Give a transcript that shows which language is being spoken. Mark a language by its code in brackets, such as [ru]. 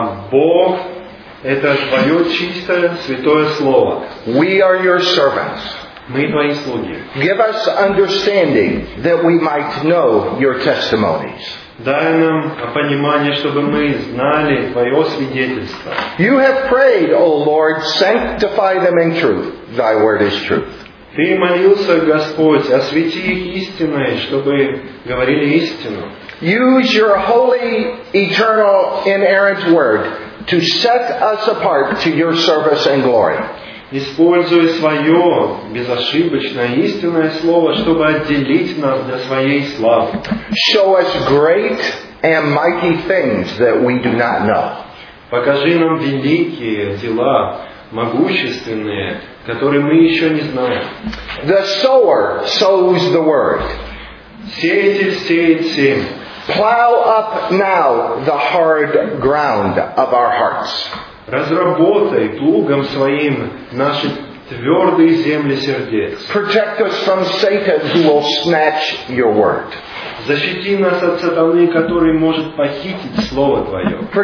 [ru] Бог, это Твое чистое, святое слово. [en] We are Your servants. [ru] Мы Твои слуги. [en] Give us understanding that we might know Your testimonies. [ru] Дай нам понимание, чтобы мы знали Твое свидетельство. [en] You have prayed, O Lord, sanctify them in truth. Thy word is truth. [ru] Ты молился, Господь, освети их истиной, чтобы говорили истину. [en] Use your holy, eternal, inerrant word to set us apart to your service and glory. [ru] Используй свое безошибочное истинное слово, чтобы отделить нас для своей славы. [en] Show us great and mighty things that we do not know. [ru] Покажи нам великие дела, могущественные, которые мы еще не знаем. [en] The sower sows the word. [ru] Сеятель сеет семя. [en] Plow up now the hard ground of our hearts. [ru] Разработай плугом своим наши твердые земли сердец. [en] Protect us from Satan who will snatch your word. [ru] Защити нас от сатаны, который может похитить слово твое.